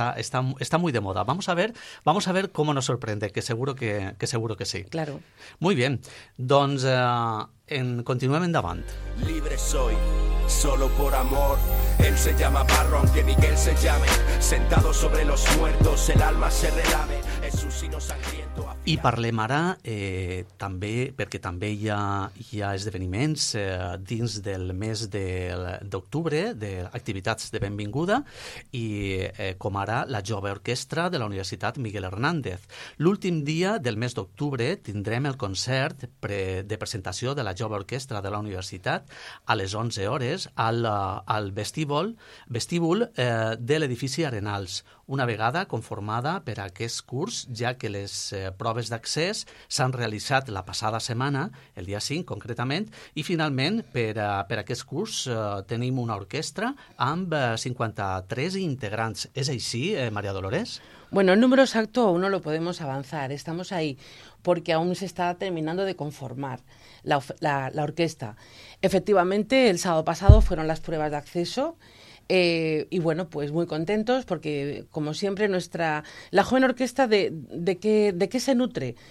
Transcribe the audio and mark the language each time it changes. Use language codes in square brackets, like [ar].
[es] Está muy de moda. Vamos a ver cómo nos sorprende, que seguro que sí. Claro. Muy bien. [ca] Doncs, continuem endavant. [es] Libre soy. Solo por amor, él se llama Barro, aunque Miguel se llame. Sentado sobre los muertos, el alma se relame. Es un sino sangriento. [ca] I parlem ara també, perquè també hi ha esdeveniments dins del mes d'octubre, d'activitats de benvinguda, i com ara la jove orquestra de la Universitat Miguel Hernández. L'últim dia del mes d'octubre tindrem el concert de presentació de la jove orquestra de la Universitat a les 11 hores al vestíbul de l'edifici Arenals, una vegada conformada per aquest curs, ja que les proves d'accés s'han realitzat la passada setmana, el dia 5 concretament, i finalment per aquest curs tenim una orquestra amb 53 integrants. És així, María Dolores? [es] Bueno, el número exacto aún no lo podemos avanzar, estamos ahí, porque aún se está terminando de conformar la orquesta. Efectivamente, el sábado pasado fueron las pruebas de acceso. Y bueno, pues muy contentos porque, como siempre, la joven orquesta, ¿de qué se nutre?